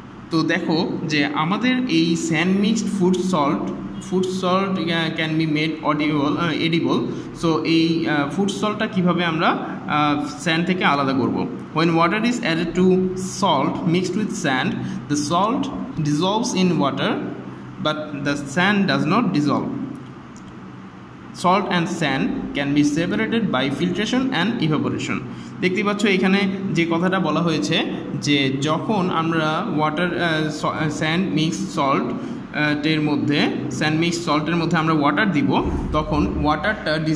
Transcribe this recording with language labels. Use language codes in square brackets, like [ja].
[bn] তো দেখো যে আমাদের এই sand mixed food salt can be made edible so এই ফুড সল্টটা কীভাবে আমরা স্যান্ড থেকে আলাদা করব when water is added to salt mixed with sand the salt dissolves in water [en] But the sand does not dissolve. Salt and sand can be separated by filtration and evaporation. [bn] দেখতে পাচ্ছ এখানে যে কথাটা বলা হয়েছে যে যখন আমরা ওয়াটার স্যান্ড মিক্স সল্টের মধ্যে স্যান্ড মিক্স সল্টের মধ্যে আমরা ওয়াটার দিব তখন ওয়াটারটা